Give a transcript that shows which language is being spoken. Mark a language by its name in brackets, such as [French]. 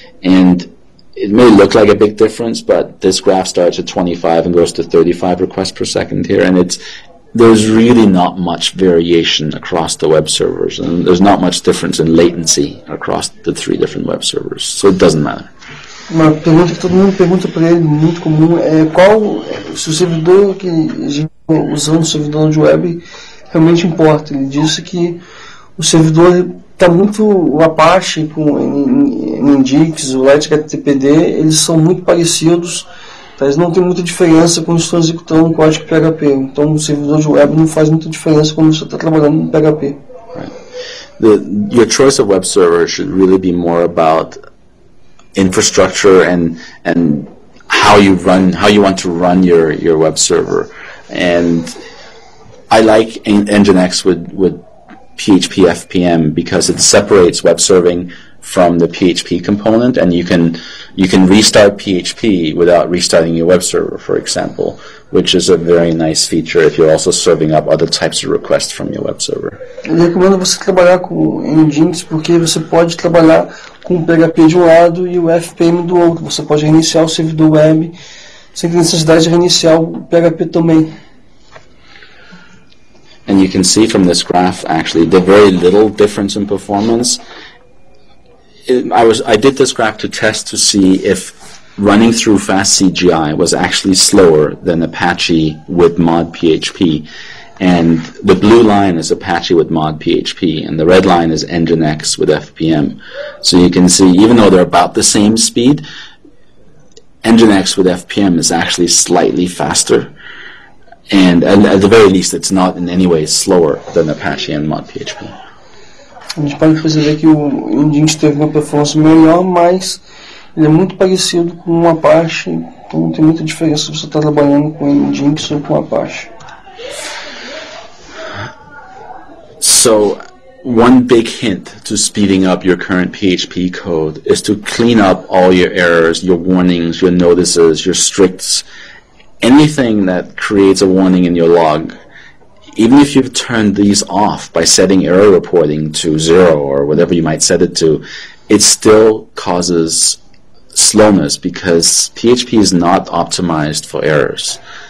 [English] And it may look like a big difference, but this graph starts at 25 and goes to 35 requests per second here, and it's there's really not much variation across the web servers, and there's not much difference in latency across the three different web servers, so it doesn't matter. [Portuguese] Uma pergunta que todo mundo pergunta para ele, muito comum, é qual se o servidor que a gente está usando, o servidor de web, realmente importa. Ele disse que o servidor está muito, o Apache com o Nginx, o Lite HTTPD, eles são muito parecidos, tá? Eles não tem muita diferença quando estão executando um código PHP. Então o servidor de web não faz muita diferença quando você está trabalhando em PHP. [English] Right. Your choice of web server should really be more about infrastructure and how you run, how you want to run your web server. And I like Nginx with PHP FPM because it separates web serving from the PHP component, and you can restart PHP without restarting your web server, for example, which is a very nice feature if you're also serving up other types of requests from your web server. [Portuguese] Eu recomendo você trabalhar com Nginx porque você pode trabalhar com PHP de um lado e o FPM do outro. Você pode reiniciar o servidor web sem necessidade de reiniciar o PHP também. [English] And you can see from this graph, actually, the very little difference in performance. I did this graph to test to see if running through fast CGI was actually slower than Apache with mod PHP. And the blue line is Apache with mod PHP, and the red line is Nginx with FPM. So you can see, even though they're about the same speed, Nginx with FPM is actually slightly faster. And at the very least, it's not in any way slower than Apache and mod PHP. [Portuguese] A gente pode perceber que o Indiente teve uma performance melhor, mas ele é muito parecido com o Apache, então não tem muita diferença se você está trabalhando com o Indiente ou com o Apache. [English] So, one big hint to speeding up your current PHP code is to clean up all your errors, your warnings, your notices, your stricts, anything that creates a warning in your log. Even if you've turned these off by setting error reporting to zero or whatever you might set it to, it still causes slowness because PHP is not optimized for errors.